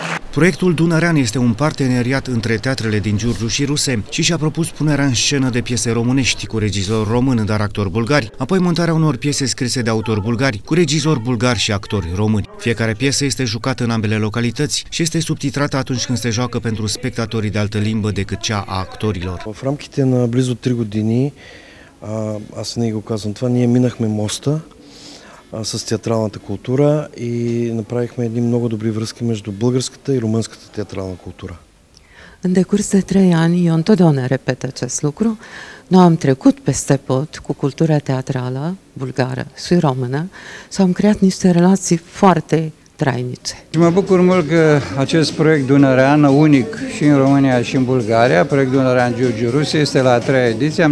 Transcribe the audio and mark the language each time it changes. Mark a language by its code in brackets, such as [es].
[ro] Proiectul Dunărean este un parteneriat între teatrele din Giurgiu și Ruse și și-a propus punerea în scenă de piese românești cu regizor român, dar actor bulgar, apoi montarea unor piese scrise de autori bulgari cu regizor bulgar și actori români. Fiecare piesă este jucată în ambele localități și este subtitrată atunci când se joacă pentru spectatorii de altă limbă decât cea a actorilor. [bg] В рамките на близо 3 години, аз не го казвам това, ние минахме моста с театралната култура и направихме едни много добри връзки между българската и румънската театрална култура. [ro] În decurs de 3 ani, eu întotdeauna repet acest lucru, nu am trecut peste pot cu cultura teatrală bulgară și română și am creat niște relații foarte trainice. Și mă bucur mult că acest proiect Dunărean, unic și în România și în Bulgaria, proiect Dunărean Giurgiu Ruse, este la a treia ediție.